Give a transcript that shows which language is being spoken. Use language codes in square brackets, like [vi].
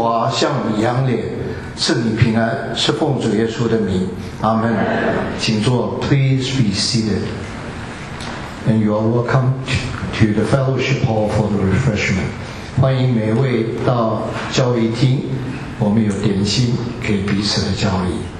[zh] 向你扬脸，赐你平安，是奉主耶稣的名，阿门。请坐 [en] ，Please be seated, and you are welcome to the fellowship hall for the refreshment. [zh] 欢迎每位到交谊厅，我们有点心可以彼此的交谊。